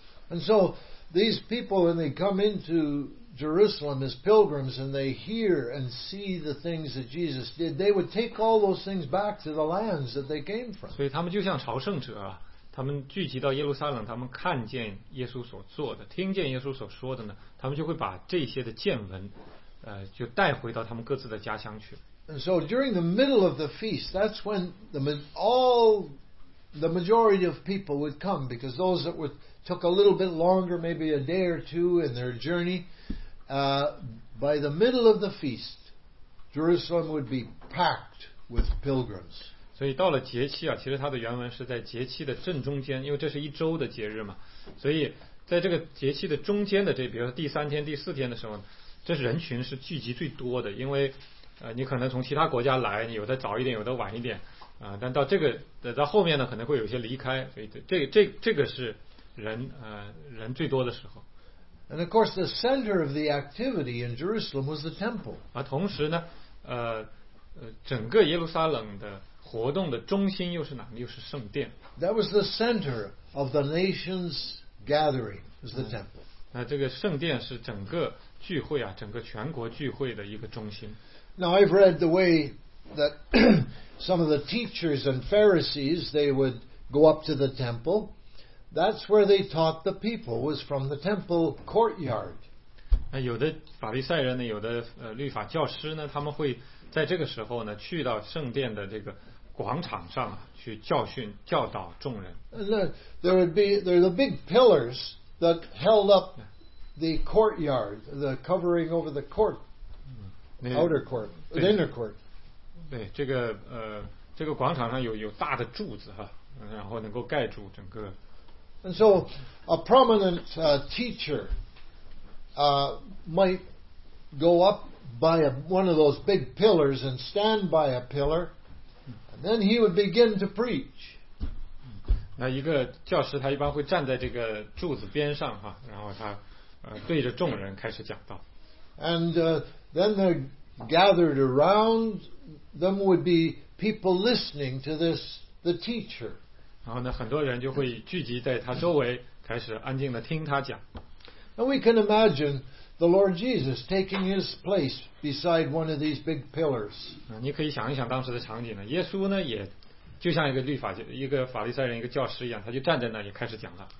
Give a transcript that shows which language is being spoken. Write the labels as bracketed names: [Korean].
[English] And so these people, when they come into Jerusalem as pilgrims, and they hear and see the things that Jesus did, they would take all those things back to the lands that they came from. [Chinese] 所以他们就像朝圣者啊。他们聚集到耶路撒冷，他们看见耶稣所做的，听见耶稣所说的呢，他们就会把这些的见闻就带回到他们各自的家乡去。 [English] And so during the middle of the feast, that's when the majority of people would come, because those that were took a little bit longer, maybe a day or two in their journey, by the middle of the feast, Jerusalem would be packed with pilgrims. [Chinese] 所以到了节期啊，其实它的原文是在节期的正中间，因为这是一周的节日嘛，所以在这个节期的中间的这，比如说第三天、第四天的时候，这人群是聚集最多的，因为你可能从其他国家来，你有的早一点，有的晚一点，但到这个到后面呢，可能会有些离开，所以这个是人最多的时候。 [English] And of course, the center of the activity in Jerusalem was the temple. [Chinese] 啊，同时呢，整个耶路撒冷的活动的中心又是哪里？又是圣殿。 [English] That was the center of the nation's gathering, was the temple. [Chinese] 那这个圣殿是整个聚会啊，整个全国聚会的一个中心。 [English] Now I've read the way that some of the teachers and Pharisees, they would go up to the temple. That's where they taught the people, was from the temple courtyard. [Chinese] 那有的法利赛人呢，有的律法教师呢，他们会在这个时候呢，去到圣殿的这个广场上啊，去教训教导众人。 [English] There are the big pillars that held up the courtyard, the covering over the court. Outer court, the inner court. [Chinese] 对，这个广场上有大的柱子哈，然后能够盖住整个。 [English] And so, a prominent teacher, might go up by one of those big pillars and stand by a pillar, and then he would begin to preach. [Chinese] 那一个教师他一般会站在这个柱子边上哈，然后他对着众人开始讲道。 [English] Then the gathered around them would be people listening to the teacher. [Chinese] 然后呢，很多人就会聚集在他周围，开始安静的听他讲。 [English] And we can imagine the Lord Jesus taking his place beside one of these big pillars. [Chinese] 你可以想一想当时的场景呢，耶稣呢也就像一个法利赛人一个教师一样，他就站在那里开始讲了。